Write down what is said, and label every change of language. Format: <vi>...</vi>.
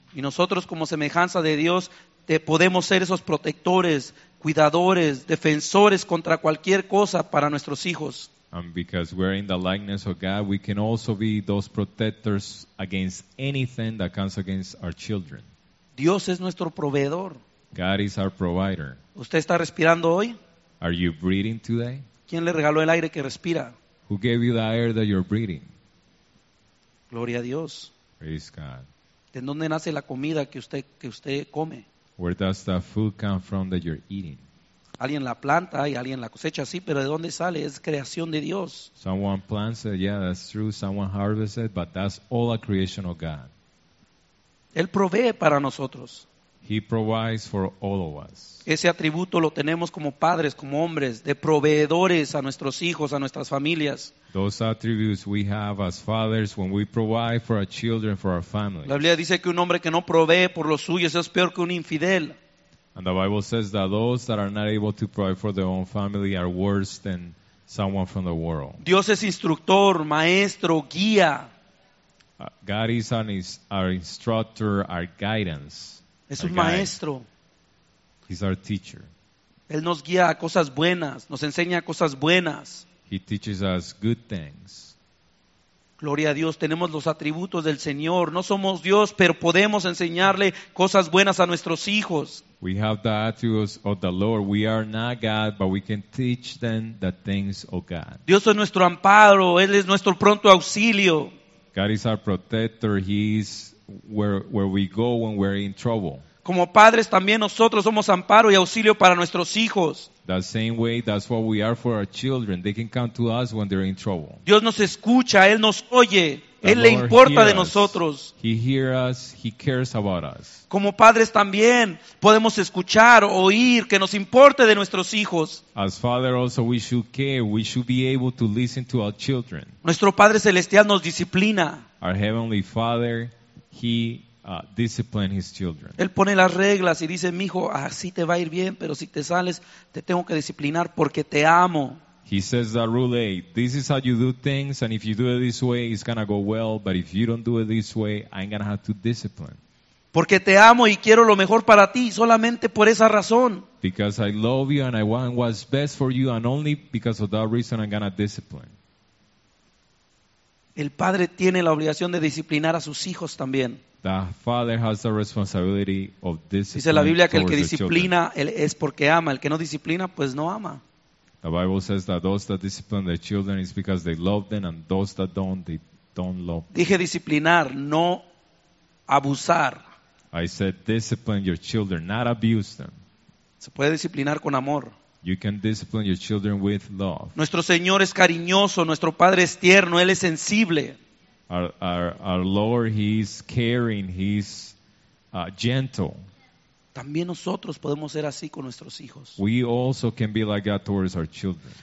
<es>Y nosotros como semejanza de Dios podemos ser esos protectores, cuidadores, defensores contra cualquier cosa para nuestros hijos.</es> <en>And because we're in the likeness of God, we can also be those protectors against anything that comes against our children.</en> <es>Dios es nuestro proveedor.</es> <en>God is our provider.</en> <es>¿Usted está respirando hoy?</es> <en>Are you breathing today?</en> <es>¿Quién le regaló el aire que respira?</es> <en>Who gave you the air that you're breathing?</en> <es>Gloria a Dios.</es> <en>Praise God.</en> <es>¿De dónde nace la comida que usted come?</es> <en>Where does the food come from that you're eating?</en> <es>Alguien la planta y alguien la cosecha, sí, pero ¿de dónde sale? Es creación de Dios.</es> <en>Someone plants it, yeah, that's true. Someone harvests it, but that's all a creation of God.</en> <es>Él provee para nosotros.</es> <en>He provides for all of us.</en> <es>Ese atributo lo tenemos como padres, como hombres, de proveedores a nuestros hijos, a nuestras familias.</es> <en>Those attributes we have as fathers when we provide for our children, for our families.</en> <es>La Biblia dice que un hombre que no provee por los suyos es peor que un infidel.</es> <en>And the Bible says that those that are not able to provide for their own family are worse than someone from the world.</en> <es>Dios es instructor, maestro, guía.</es> <en>God is our instructor, our guidance.</en> <es>Es un maestro.</es> <en>He's our teacher.</en> <es>Él nos guía a cosas buenas, nos enseña cosas buenas.</es> <en>He teaches us good things.</en> <es>Gloria a Dios, tenemos los atributos del Señor. No somos Dios, pero podemos enseñarle cosas buenas a nuestros hijos.</es> <en>We have the attributes of the Lord. We are not God, but we can teach them the things of God.</en> <es>Dios es nuestro amparo, Él es nuestro pronto auxilio.</es> <en>God is our protector, He is where we go when we're in trouble.</en> <es>Como padres también nosotros somos amparo y auxilio para nuestros hijos.</es> <en>The same way, that's what we are for our children. They can come to us when they're in trouble.</en> <es>Dios nos escucha, Él nos oye, Él le importa de nosotros.</es> <en>He hears us, He cares about us.</en> <es>Como padres también podemos escuchar, oír, que nos importe de nuestros hijos.</es> <en>As father also we should care, we should be able to listen to our children.</en> <es>Nuestro Padre Celestial nos disciplina.</es> <en>Our Heavenly Father, discipline his children.</en> <es>Él pone las reglas y dice, mijo, así te va a ir bien, pero si te sales, te tengo que disciplinar porque te amo.</es> <en>He says the rule 8, this is how you do things, and if you do it this way, it's going to go well, but if you don't do it this way, I'm going to have to discipline.</en> <es>Porque te amo y quiero lo mejor para ti, solamente por esa razón.</es> <en>Because I love you and I want what's best for you, and only because of that reason I'm gonna discipline.</en> <es>El padre tiene la obligación de disciplinar a sus hijos también.</es> <en>The father has the responsibility of disciplining.</en> <es>Dice la Biblia que el que disciplina es porque ama, el que no disciplina pues no ama.</es> <en>The Bible says that those that discipline their children is because they love them, and those that don't, they don't love them.</en> <es>Dije disciplinar, no abusar.</es> <en>I said discipline your children, not abuse them.</en> <es>Se puede disciplinar con amor.</es> <en>You can discipline your children with love.</en> <es>Nuestro Señor es cariñoso, nuestro Padre es tierno, Él es sensible.</es> <en>Our Lord, He's caring, He's gentle.</en> <es>También nosotros podemos ser así con nuestros hijos.</es> <en>We also can be like that towards our children.</en>